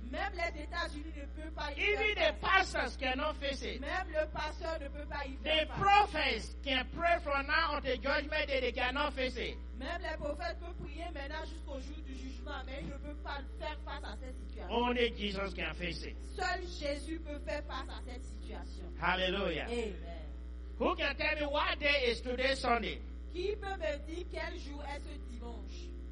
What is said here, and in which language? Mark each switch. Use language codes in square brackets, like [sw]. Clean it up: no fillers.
[fr] Même les États-Unis ne peuvent pas y faire [en] Even [fr] face. [en] The pastors cannot face it. [fr] Même le pasteur ne peut pas y faire [en] the [fr] face. [en] The prophets can pray from now on the judgment day, they cannot face it. [fr] Même les prophètes peuvent prier maintenant jusqu'au jour du jugement, mais ils ne peuvent pas faire face à cette situation. [en] Only Jesus can face it. [fr] Seul Jésus peut faire face à cette situation. [en] Hallelujah. Amen. Who can tell me what day is today Sunday? [fr] Qui peut me dire quel jour est ce dimanche?